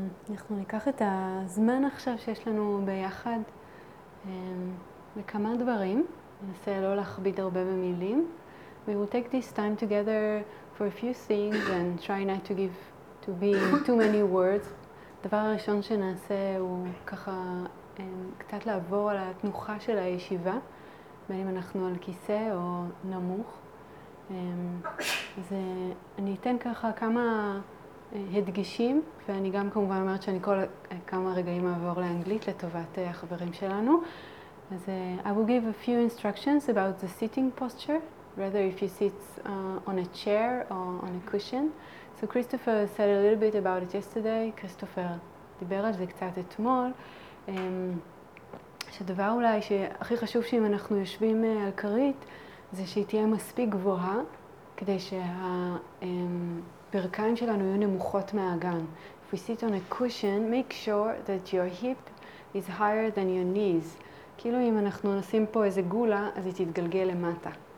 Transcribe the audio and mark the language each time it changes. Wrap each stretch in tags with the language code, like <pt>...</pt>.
<he>אנחנו ניקח את הזמן עכשיו שיש לנו ביחד לכמה דברים. ננסה לא להכביד הרבה במילים.</he> <en>We will take this time together for a few things and try not to give to be too many words.</en> <he>הדבר הראשון שנעשה הוא ככה קצת לעבור על התנוחה של הישיבה, בין אם אנחנו על כיסא או נמוך. אז אני אתן ככה כמה הדגשים, ואני גם כמובן אומרת שאני כל כמה רגעים אעבור לאנגלית לטובת החברים שלנו.</he> <en>אז I will give a few instructions about the sitting posture, whether if you sit on a chair or on a cushion. So Christopher said a little bit about it yesterday.</en> <he>Christopher דיבר על זה קצת אתמול. שדבר אולי שהכי חשוב שאם אנחנו יושבים על קרית, זה שהיא תהיה מספיק גבוהה כדי שהברכיים שלנו יהיו נמוכות מהאגן.</he> <en>If we sit on a cushion, make sure that your hip is higher than your knees.</en> <he>כאילו אם אנחנו נשים פה איזה גולה, אז היא תתגלגל למטה.</he>